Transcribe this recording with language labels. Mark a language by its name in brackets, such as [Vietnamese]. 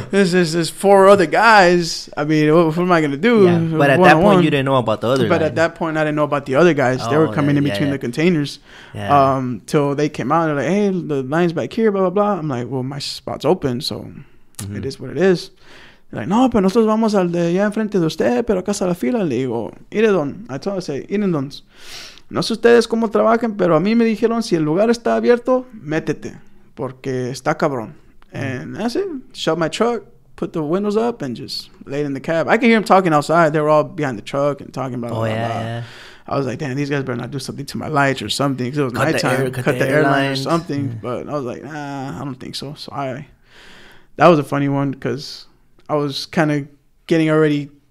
[English] There's four other guys. I mean, what am I going to do? Yeah, but at that point, you didn't know about the other guys. But at that point, I didn't know about the other guys. Oh, they were coming in between the containers till they came out. They're like, hey, the line's back here, blah, blah, blah. I'm like, well, my spot's open, so it is what it is. They're like, [Spanish] no, pero nosotros vamos al de allá enfrente de usted, pero acá está la fila. Le digo, ire don. [English] I told him, I say, [Spanish] ire don. No sé ustedes cómo trabajan, pero a mí me dijeron, si el lugar está abierto, métete. Porque está cabrón. [English] And that's it. Shut my truck, put the windows up, and just laid in the cab. I can hear them talking outside. They were all behind the truck and talking about blah, blah. I was like, damn, these guys better not do something to my lights or something. Because it was nighttime. Cut the airline or something. Yeah. But I was like, nah, I don't think so. So that was a funny one because I was kind of getting already...